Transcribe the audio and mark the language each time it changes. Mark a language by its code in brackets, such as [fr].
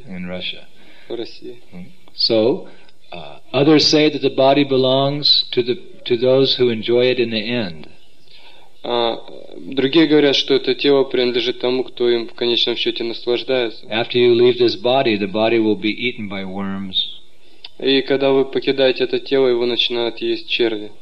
[en] In Russia. [ru] В России. [en] So others say that the body belongs to those who enjoy it in the end. [ru] Другие говорят, что это тело принадлежит тому, кто им в конечном счете наслаждается. [en] After you leave this body, the body will be eaten by worms. [ru] И когда вы покидаете это тело, его начинают есть черви.